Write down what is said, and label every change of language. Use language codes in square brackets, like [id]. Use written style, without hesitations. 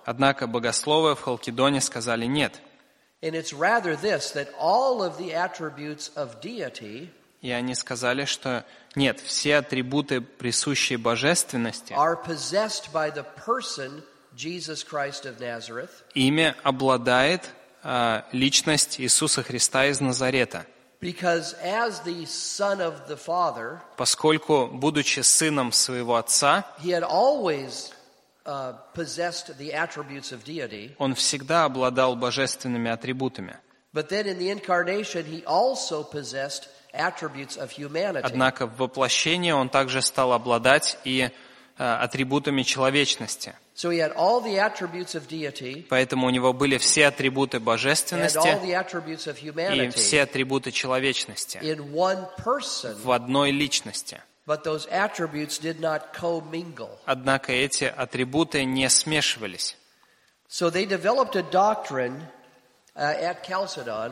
[ru] Однако богословы в Халкидоне сказали нет. [en] And it's rather this that all of the attributes of deity. [ru] И они сказали, что нет, все атрибуты, присущие божественности, [en] are possessed by the person Jesus Christ of Nazareth. [ru] Ими обладает личность Иисуса Христа из Назарета. [en] Because as the son of the father, [ru] поскольку будучи сыном своего отца, [en] he had always possessed the attributes of deity. [ru] Он всегда обладал божественными атрибутами. [en] But then in the incarnation, he also possessed attributes of humanity. [ru] Однако в воплощении он также стал обладать и атрибутами человечности. [en] So he had all the attributes of deity. [ru] Поэтому у него были все атрибуты божественности. [en] And all the attributes of humanity. [ru] И все атрибуты человечности. [en] In one person. [ru] В одной личности. [en] But those attributes did not commingle. [ru] Однако эти атрибуты не смешивались. [en] So they developed a doctrine at Chalcedon.